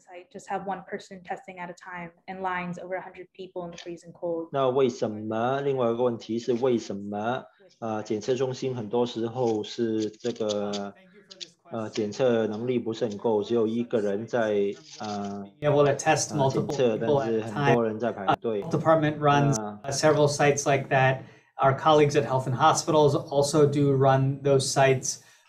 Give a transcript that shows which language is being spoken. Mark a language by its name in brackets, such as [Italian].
[English] Just have one person testing at a time and lines over 100 people in the freezing cold. [Chinese] 那为什么？另外一个问题是为什么？检测中心很多时候是这个检测能力不是很够，只有一个人在检测，但是很多人在排队。 [English] Department runs several sites like that. Our colleagues at health and hospitals also do run those sites.